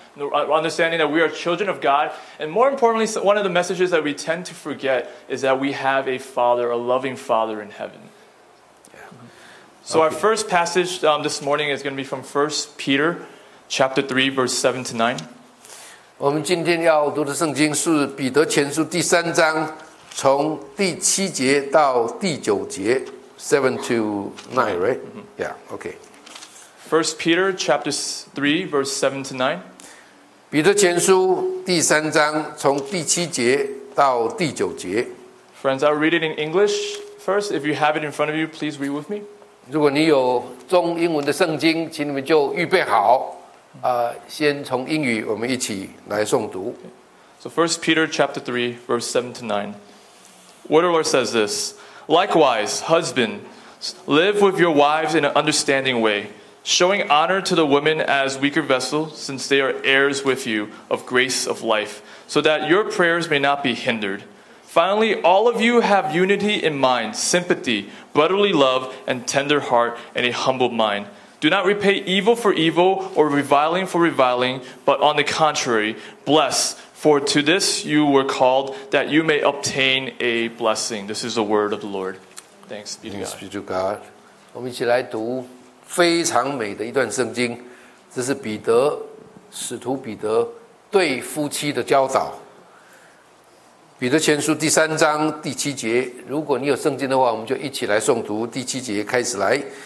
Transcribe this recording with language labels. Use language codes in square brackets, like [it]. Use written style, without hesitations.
[en] Understanding that we are children of God, and more importantly, one of the messages that we tend to forget is that we have a Father, a loving Father in heaven. So okay. Our first passage this morning is going to be from 1 Peter chapter 3, verse 7-9. [zh] 我们今天要读的圣经是彼得前书第三章，从第七节到第九节 [en] 7-9, right? Yeah, okay. 1 Peter chapter 3, verse 7-9. [zh] 彼得前书第三章从第七节到第九节。 [en] Friends, I'll read it in English first. If you have it in front of you, please read with me. [zh] 如果你有中英文的圣经，请你们就预备好，先从英语我们一起来诵读。 [en] So 1 Peter chapter 3, verse 7-9. Word of the Lord says this, Likewise, husbands, live with your wives in an understanding way. Showing honor to the women as weaker vessels, since they are heirs with you of grace of life, so that your prayers may not be hindered. Finally, all of you have unity in mind, sympathy, brotherly love, and tender heart, and a humble mind. Do not repay evil for evil or reviling for reviling, but on the contrary, bless, for to this you were called, that you may obtain a blessing. This is the word of the Lord. Thanks be to God. Thanks be to God. [zh] 我们一起来读非常美的一段圣经，这是彼得，使徒彼得对夫妻的教导。彼得前书第三章第七节，如果你有圣经的话，我们就一起来诵读第七节开始来。